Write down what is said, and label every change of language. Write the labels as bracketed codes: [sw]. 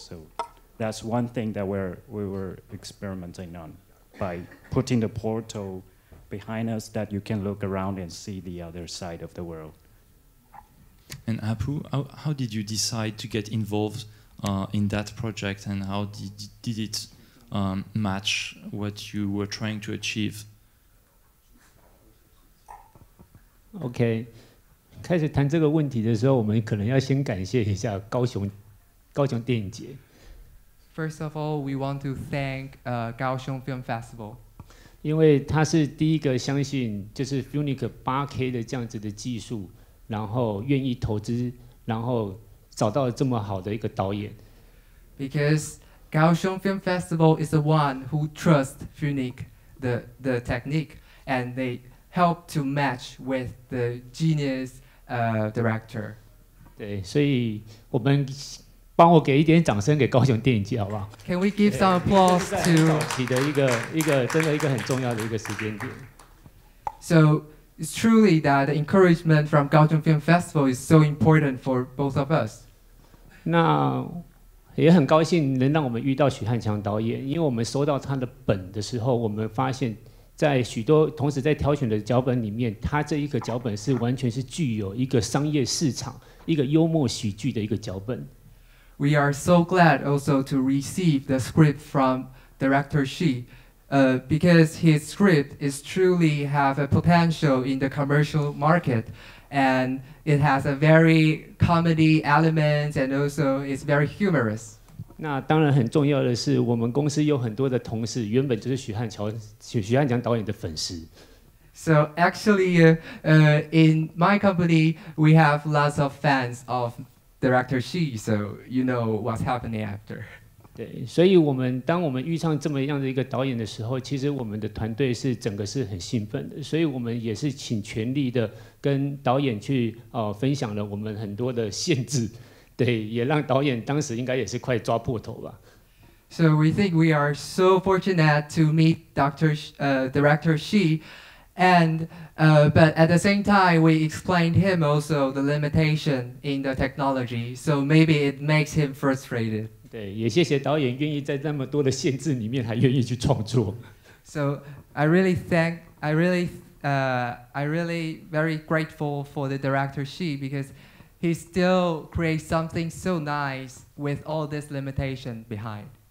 [en] So that's one thing that we were experimenting on by putting the portal behind us that you can look around and see the other side of the world. And Apu, how did you decide to get involved in that project, and how did it match what you were trying to achieve? Okay, [zh] 开始谈这个问题的时候，我们可能要先感谢一下高雄电影节。 [en] First of all, we want to thank Kaohsiung Film Festival. [zh] 因为他是第一个相信就是 Funique 8K 的这样子的技术。然后愿意投资，然后找到了这么好的一个导演。 [en] Because Kaohsiung Film Festival is the one who trusts Funique the technique, and they help to match with the genius director. [zh] 对，所以我们帮我给一点掌声给高雄电影节好不好 [en] ？Can we give some applause to [zh] 你的一个真的一个很重要的一个时间点 [en] ？So. It's truly that the encouragement from Kaohsiung Film Festival is so important for both of us. [zh] 那也很高兴能让我们遇到许汉强导演，因为我们收到他的本的时候，我们发现，在许多同时在挑选的脚本里面，他这一个脚本是完全是具有一个商业市场、一个幽默喜剧的一个脚本。 [en] We are so glad also to receive the script from Director Xi. Because his script is truly have a potential in the commercial market, and it has a very comedy element, and also is very humorous. [zh] 那当然很重要的是，我们公司有很多的同事原本就是许汉强导演的粉丝。 [en] So actually, in my company, we have lots of fans of director Xi. So you know what's happening after. [zh] 对，所以我们当我们遇上这么样的一个导演的时候，其实我们的团队是整个是很兴奋的，所以我们也是请全力的跟导演去分享了我们很多的限制，对，也让导演当时应该也是快抓破头吧。 [en] So we think we are so fortunate to meet Director Xi, and but at the same time we explained him also the limitation in the technology, so maybe it makes him frustrated. [zh] 对，也谢谢导演愿意在那么多的限制里面还愿意去创作。 [en] So I really thank, I really very grateful for the director Xi because he still creates something so nice with all this limitation behind.